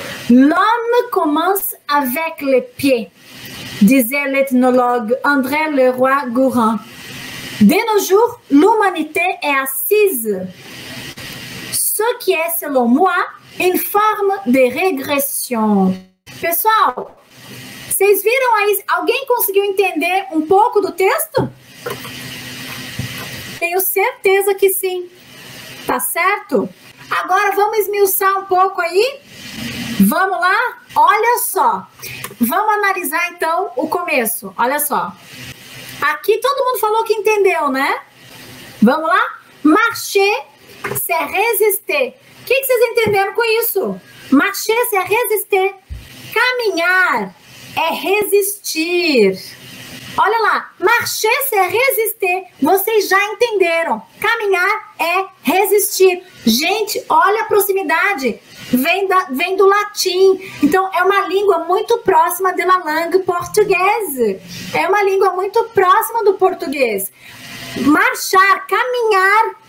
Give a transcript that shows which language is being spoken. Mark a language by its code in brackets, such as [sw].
[fr] L'homme commence avec les pieds, disait l'ethnologue André Leroy Gourin. Dès nos jours, l'humanité est assise. Ce qui est, selon moi, une forme de régression. [pt] Pessoal, vocês viram aí? Alguém conseguiu entender um pouco do texto? Tenho certeza que sim, tá certo? Agora vamos esmiuçar um pouco aí? Vamos lá? Olha só, vamos analisar então o começo, olha só. Aqui todo mundo falou que entendeu, né? Vamos lá? [fr] Marcher, c'est résister. [pt] O que vocês entenderam com isso? [fr] Marcher, c'est résister. [pt] Caminhar é resistir. Olha lá, [fr] marcher, c'est résister. [pt] Vocês já entenderam. Caminhar é resistir. Gente, olha a proximidade. Vem do latim. Então, é uma língua muito próxima [fr] de la langue [pt] portuguesa. É uma língua muito próxima do português. Marchar, caminhar.